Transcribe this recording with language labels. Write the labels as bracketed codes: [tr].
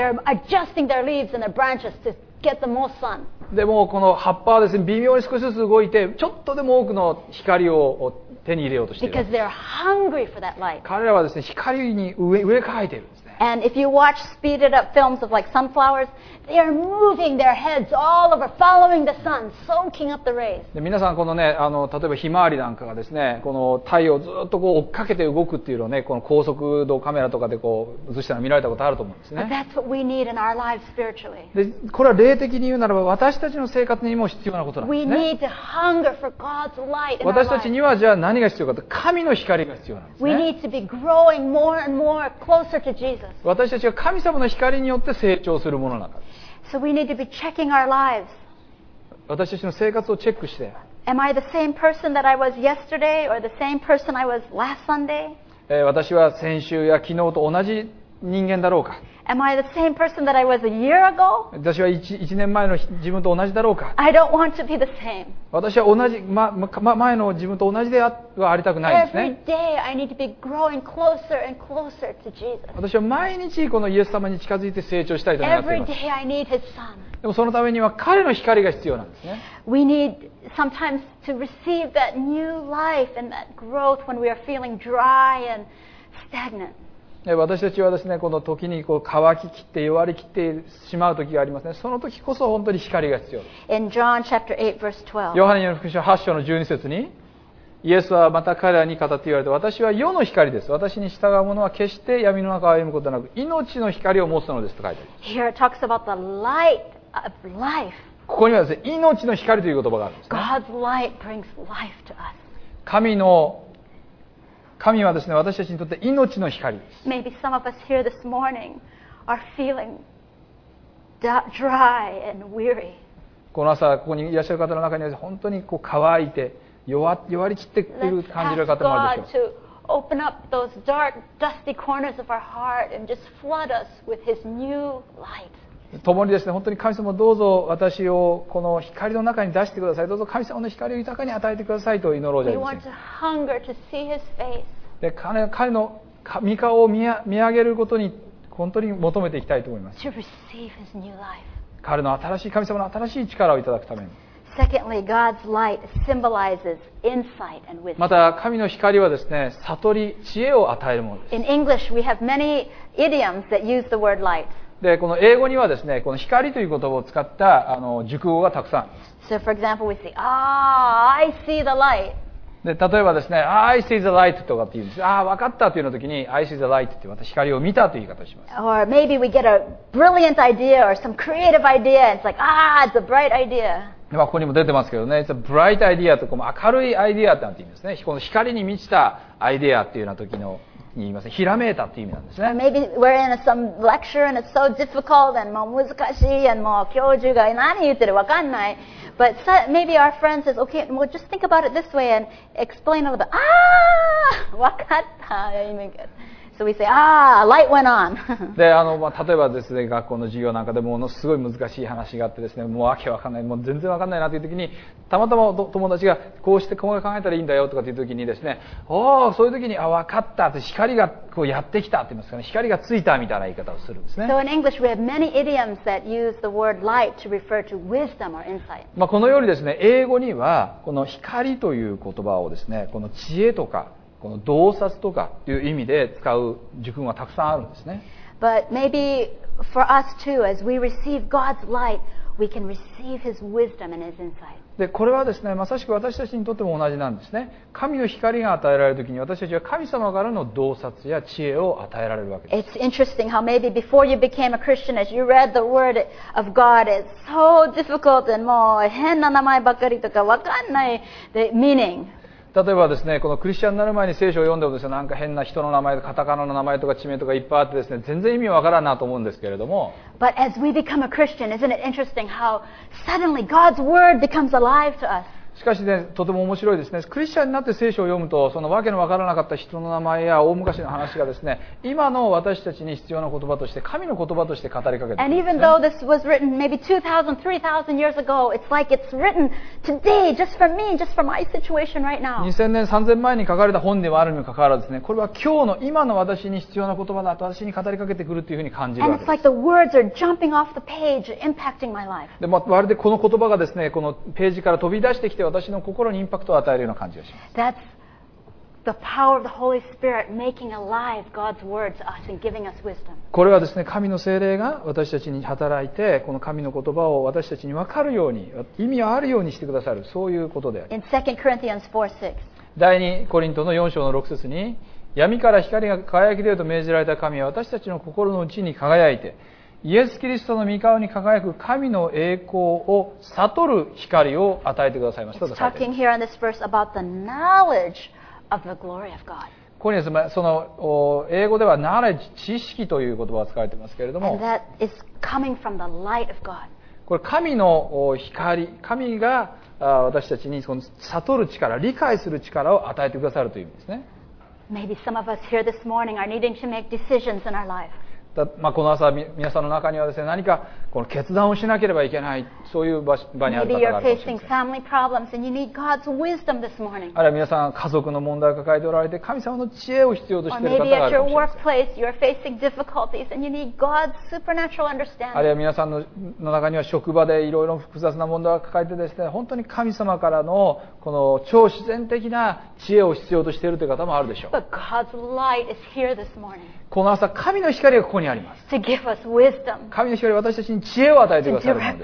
[en] They're adjusting their leaves and their branches to get the most sun. [ja] でもこの葉っぱはですね、微妙に少しずつ動いて、ちょっとでも多くの光を手に入れようとしている。 [en] Because they're hungry for that light. [ja] 彼らはですね、光に植えかえているんですね。 [en] And if you watch speeded up films of like sunflowers, they are moving their heads all over, following the sun, soaking up the rays. [ja] で、皆さんこのね、あの、例えばひまわりなんかがですね、この太陽をずっとこう追っかけて動くっていうのをね、この高速度カメラとかでこう映したの見られたことあると思うんですね。 [en] But that's what we need in our lives spiritually. [ja] で、これは霊的に言うならば、私たちの生活にも必要なことなんですね。 [en] We need to hunger for God's light in our lives. [ja] 私たちにはじゃあ何が必要かと、神の光が必要なんですね。 [en] We need to be growing more and more closer to Jesus. [ja] 私たちが神様の光によって成長するものなんです。 [en] So we need to be checking our lives. [ja] 私たちの生活をチェックして、 [en] Am I the same person that I was yesterday or the same person I was last Sunday? [ja] 私は先週や昨日と同じ人間だろうか。 [en] Am I the same person that I was a year ago? [ja] 私は 1年前の自分と同じだろうか。 [en] I don't want to be the same. [ja] 私は同じ、前の自分と同じではありたくないんですね。 [en] Every day I need to be growing closer and closer to Jesus. [ja] 私は毎日このイエス様に近づいて成長したいと思っています。 [en] Every day I need his son. [ja] でもそのためには彼の光が必要なんですね。 [en] We need sometimes to receive that new life and that growth when we are feeling dry and stagnant. [ja] 私たちはですね、この時にこう乾ききって弱りきってしまう時がありますね。その時こそ本当に光が必要です。 [en] In John chapter 8, verse 12. [ja] ヨハネによる福音書8章の12節に、イエスはまた彼らに語って言われて、私は世の光です。私に従う者は決して闇の中を歩むことなく、命の光を持つのですと書いてあります。 [en] Here it talks about the light of life. [ja] ここにはですね、命の光という言葉があるんですね。 [en] God's light brings life to us. [ja] 神はですね、私たちにとって命の光です。 [en] Maybe some of us here this morning are feeling dry and weary. [ja] この朝ここにいらっしゃる方の中には本当にこう乾いて弱りきっている感じる方もあるでしょう。 [en] Let's ask God to open up those dark, dusty corners of our heart and just flood us with His new light. [ja] 共にですね、本当に神様どうぞ私をこの光の中に出してください、どうぞ神様の光を豊かに与えてくださいと祈ろうじゃありません。で、彼の御顔を見上げることに本当に求めていきたいと思います。彼の新しい、神様の新しい力をいただくために。 [en] Secondly, God's light symbolizes insight and wisdom. [ja] また神の光はですね、悟り、知恵を与えるものです。 [en] In English, we have many idioms that use the word light. [ja] で、この英語にはですね、この光という言葉を使ったあの熟語がたくさん。 [en] So for example, we see, ah, I see the light. [ja] で、例えばですね、 [en] I see the light [ja] とかって言うんです。ああ、わかったというの時に、I see the light って、また光を見たという言い方をします。 [en] Or maybe we get a brilliant idea or some creative idea. It's like, ah, it's a bright idea. [ja] で、まあ、ここにも出てますけどね、 [en] it's a bright idea [ja] とか、明るいアイデアって言うんですね。この光に満ちたアイデアっていうような時の。言いますね、ひらめいたという意味なんですね。 [en] Maybe we're in some lecture and it's so difficult and [ja] もう難しい [en] and [ja] もう教授が何言ってるわかんない。 [en] But maybe our friend says, okay, well just think about it this way and explain a little bit. Ah! [ja] わかった。 [en] So we say, ah, light went on. [ja] で、まあ、例えばですね、学校の授業なんかでものすごい難しい話があってですね、もうわけわかんない、もう全然わかんないなという時に、たまたま友達がこうして細かく考えたらいいんだよとかという時にですね、おお、そういう時に、あ、わかったって、光がこうやってきたって言いますかね、光がついたみたいな言い方をするんですね。 [en] So in English, we have many idioms that use the word light to refer to wisdom or insight. [ja] まあ、このようにですね、英語には、この光という言葉をですね、この知恵とか、この洞察とかという意味で使う熟語がたくさんあるんですね。 [en] But maybe for us too, as we receive God's light, we can receive His wisdom and His insight. [ja] で、これはですね、まさしく私たちにとっても同じなんですね。神の光が与えられるときに、私たちは神様からの洞察や知恵を与えられるわけです。 [en] It's interesting how maybe before you became a Christian, as you read the Word of God, it's so difficult and [ja] もう変な名前ばかりとかわかんない [en] the meaning. [ja] 例えばですね、このクリスチャンになる前に聖書を読んでもですね、なんか変な人の名前、カタカナの名前とか地名とかいっぱいあってですね、全然意味わからんなと思うんですけれども。 [en] But as we become a Christian, isn't it interesting how suddenly God's word becomes alive to us? [ja] しかしね、とても面白いですね。クリスチャンになって聖書を読むと、そのわけのわからなかった人の名前や大昔の話がですね、今の私たちに必要な言葉として、神の言葉として語りかけてくるんですね。 [en] And even though this was written maybe 2,000, 3,000 years ago, it's like it's written today, just for me, just for my situation right now. [ja] 2000年、3000前に書かれた本ではあるにもかかわらずですね、これは今日の、今の私に必要な言葉だと私に語りかけてくるというふうに感じるわけです。 [en] And it's like the words are jumping off the page, impacting my life. [ja] で、まるでこの言葉がですね、このページから飛び出してきて、私の心にインパクトを与えるような感じがします。 [en] That's the power of the Holy Spirit making alive God's word to us and giving us wisdom. [ja] これはですね、神の聖霊が私たちに働いて、この神の言葉を私たちに分かるように、意味あるようにしてくださる、そういうことであります。 [en] In 2 Corinthians 4:6. [ja] 第2コリントの4章の6節に、闇から光が輝き出ると命じられた神は私たちの心の内に輝いて、イエス・キリストの御顔に輝く神の栄光を悟る光を与えてくださいました。 [en] It's talking here on this verse about the knowledge of the glory of God. [ja] ここにですね、その英語では knowledge、知識という言葉が使われていますけれども、 [en] And that is coming from the light of God. [ja] これ神の光、神が私たちにその悟る力、理解する力を与えてくださるという意味ですね。 [en] Maybe some of us here this morning are needing to make decisions in our life. [ja] まあ、この朝、皆さんの中にはですね、何かこの決断をしなければいけない、そういう場にある方があるかもしれません。 [en] Maybe you're facing family problems and you need God's wisdom this morning. [ja] あるいは皆さん、家族の問題を抱えておられて、神様の知恵を必要としている方があるかもしれません。 [en] Or maybe at your workplace you're facing difficulties and you need God's supernatural understanding. [ja] あるいは皆さんの中には職場でいろいろ複雑な問題を抱えてですね、本当に神様からのこの超自然的な知恵を必要としているという方もあるでしょう。 [en] But God's light is here this morning. [ja] この朝、神の光がここにあります。 [en] to give us wisdom. [ja] 神の光は私たちに知恵を与えてくださるものです。